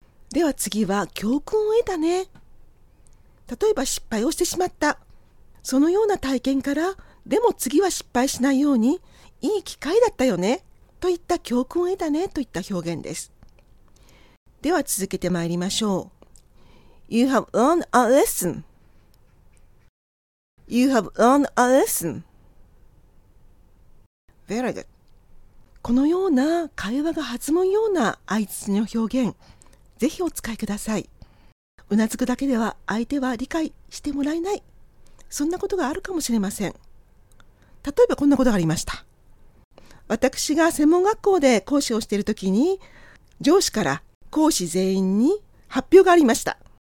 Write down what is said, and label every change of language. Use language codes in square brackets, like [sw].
[ja] では次は教訓を得たね。例えば失敗をしてしまった、そのような体験から、でも次は失敗しないように、いい機会だったよねといった教訓を得たねといった表現です。では続けてまいりましょう。 [en] You have learned a lesson. You have learned a lesson. Very good. [ja] このような会話が弾むような相槌の表現、ぜひお使いください。うなずくだけでは相手は理解してもらえない。そんなことがあるかもしれません。例えばこんなことがありました。私が専門学校で講師をしているときに、上司から講師全員に発表がありました。